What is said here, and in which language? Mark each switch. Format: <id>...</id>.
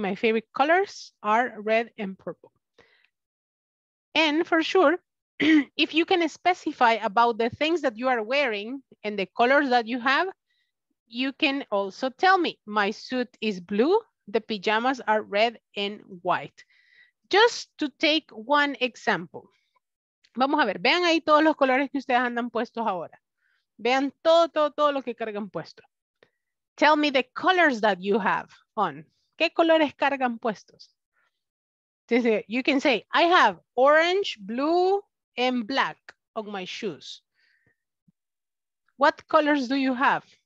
<en>My favorite colors are red and purple. And for sure, if you can specify about the things that you are wearing and the colors that you have, you can also tell me, my suit is blue, the pajamas are red and white. Just to take one example.</en> <es>Vamos a ver, vean ahí todos los colores que ustedes andan puestos ahora. Vean todo, todo, todo lo que cargan puesto.</es> <en>Tell me the colors that you have on.</en> <es>¿Qué colores cargan puestos?</es> <en>You can say, I have orange, blue, and black on my shoes. What colors do you have?</en>